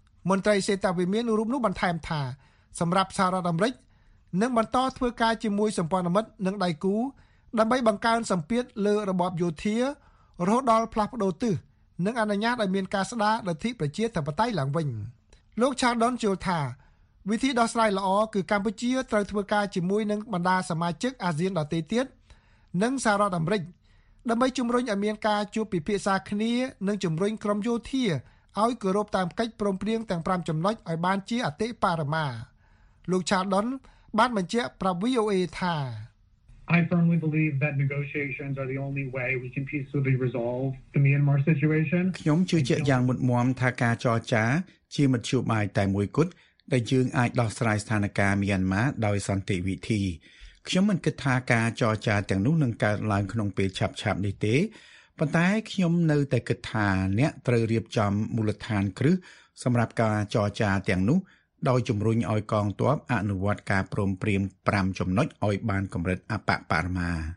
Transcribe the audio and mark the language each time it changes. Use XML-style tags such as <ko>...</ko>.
<km>មន្ត្រីសេតាវិមានរូបនោះបន្ថែមថាសម្រាប់សហរដ្ឋអាមេរិកនឹងបន្តធ្វើការជាមួយសម្ព័ន្ធមិត្តនិងដៃគូដើម្បីបង្កើនសម្ពាធលើរបបយោធារហូតដល់ផ្លាស់ប្តូរទិសនិងអនុញ្ញាតឲ្យមានការស្ដារលទ្ធិប្រជាធិបតេយ្យឡើងវិញលោកឆាដុនជូលថាវិធីដោះស្រាយល្អគឺកម្ពុជាត្រូវធ្វើការជាមួយនឹងបណ្ដាសមាជិកអាស៊ានដទៃទៀត និងសហរដ្ឋអាមេរិកដើម្បីជំរុញឲ្យមានការជួបពិភាក្សាគ្នានិងជំរុញក្រុមយោធាឲ្យគោរពតាមកិច្ចព្រមព្រៀងទាំង5ចំណុចឲ្យបានជាអតិបរមាលោកឆាដុនបានបញ្ជាក់ប្រាប់ VOA ថា</km> <en>I firmly believe that negotiations are the only way we can peacefully resolve the Myanmar situation</en> <km>ខ្ញុំជឿជាក់យ៉ាងមុតមមថាការចរចាជាមធ្យោបាយតែមួយគត់ដែលយើងអាចដោះស្រាយស្ថានភាពមីយ៉ាន់ម៉ាដោយសន្តិវិធីខ្ញុំមិនគិតថាការចរចាទាំងនោះនឹងកើតឡើងក្នុងពេលឆាប់ៗនេះទេប៉ុន្តែខ្ញុំនៅតែគិតថាអ្នកត្រូវរៀបចំមូលដ្ឋានគ្រឹះសម្រាប់ការចរចាទាំងនោះដោយជំរុញឲ្យកងទ័ពអនុវត្តការព្រមព្រៀង5ចំណុចឲ្យបានកម្រិតអបបរមា</km>